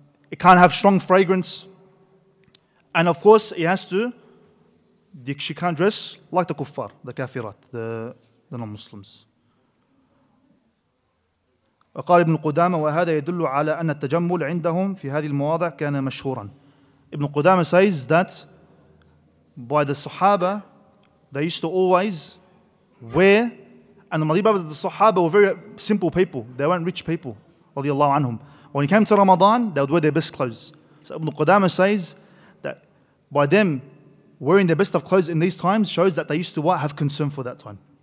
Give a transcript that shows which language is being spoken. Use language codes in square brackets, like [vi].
[en] It can't have strong fragrance, and of course it has to, she can't dress like the kuffar, the kafirat, the non-Muslims. [ar] وقال ابن قدامة وهذا يدل على أن التجمل عندهم في هذه المواضع كان مشهورا. [en] Ibn Qudama says that by the Sahaba, they used to always wear, and the Madiba, the Sahaba were very simple people, they weren't rich people, رضي الله عنهم. When it came to Ramadan, they would wear their best clothes. So Ibn Qudama says that by them wearing their best of clothes in these times shows that they used to have concern for that time.